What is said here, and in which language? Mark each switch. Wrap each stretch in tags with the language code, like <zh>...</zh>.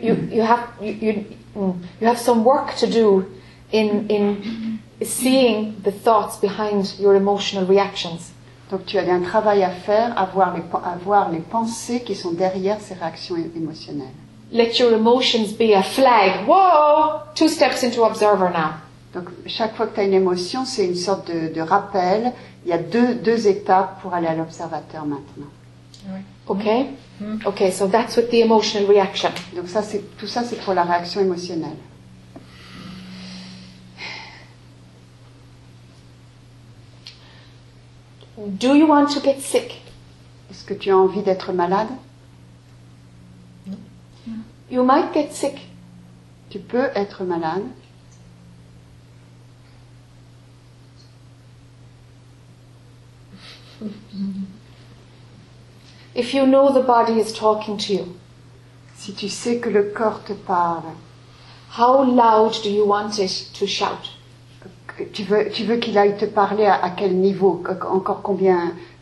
<en>So you have some work to do in seeing the thoughts behind your emotional reactions.</en> <fr>Donc tu as un travail à faire, à voir les pensées qui sont derrière ces réactions émotionnelles.</fr> <en>Let your emotions be a flag. Whoa! Two steps into observer now.</en> <fr>Donc chaque fois que tu as une émotion, c'est une sorte de rappel. Il y a deux étapes pour aller à l'observateur maintenant.</fr> <en>Okay. Okay, so that's with the emotional reaction.</en> <fr>Donc ça, c'est, tout ça, c'est pour la réaction émotionnelle.</fr> <en>Do you want to get sick?</en> <fr>Est-ce que tu as envie d'être malade?</fr> <en>No. You might get sick.</en> <fr>Tu peux être malade.</fr> <en>If you know the body is talking to you.</en> <fr>Si tu sais que le corps te parle.</fr> <en>How loud do you want it to shout?</en> <fr>Tu veux qu'il aille te parler à quel niveau, encore combien,</fr>